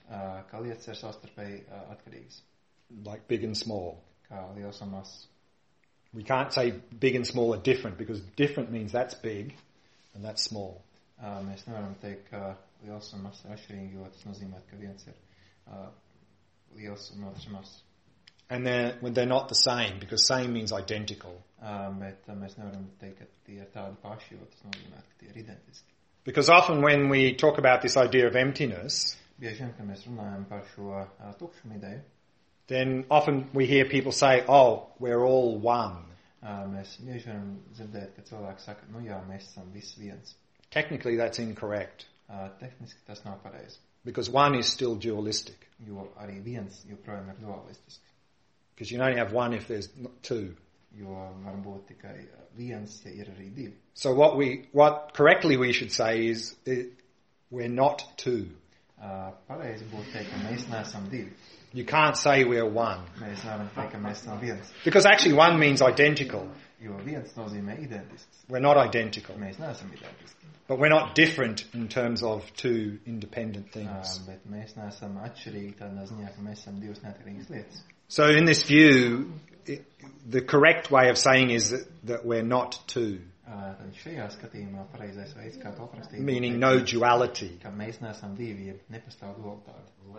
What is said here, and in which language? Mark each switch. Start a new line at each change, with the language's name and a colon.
Latvian: Ka lietas ir savstarpēji atkarīgas.
English: Like big and small.
Latvian: Kā liels un mazs.
English: We can't say big and small are different, because different means that's big and that's small.
Latvian: Mēs nevaram teikt, ka liels un mazs ir atšķirīgi, jo tas nozīmē, ka viens ir liels un otrs mazs.
English: And they're not the same, because same means identical.
Latvian: Mēs nevaram teikt, ka tie ir tādi paši, jo tas nozīmē, ka tie ir identiski.
English: Because often when we talk about this idea of emptiness,
Latvian: bieži vien, kad mēs runājam par šo tukšumu ideju,
English: then often we hear people say, oh, we're all one.
Latvian: Mēs bieži vien dzirdēt, ka cilvēki saka, nu jā, mēs esam visi viens.
English: Technically that's incorrect.
Latvian: Tehniski tas nav pareizi.
English: Because one is still dualistic.
Latvian: Jo arī viens joprojām ir dualistisks.
English: Because you only have one if there's two.
Latvian: Jo varbūt tikai viens, ja ir arī divi.
English: So what correctly we should say is we're not two.
Latvian: Pareizi būtu teikt, ka mēs neesam divi.
English: You can't say we're one.
Latvian: Mēs nevaram teikt, ka mēs esam viens.
English: Because actually one means identical.
Latvian: Jo viens nozīmē identisks.
English: We're not identical.
Latvian: Mēs neesam identiski.
English: But we're not different in terms of two independent things.
Latvian: Bet mēs neesam atšķirīgi tādā ziņā, ka mēs esam divas neatkarīgas lietas.
English: So in this view, the correct way of saying is that we're not two.
Latvian: Tad šajā skatījumā pareizais veids, kā to aprakstīt.
English: Meaning no duality.
Latvian: Ka mēs neesam divi, ja nepastāv dualitāte.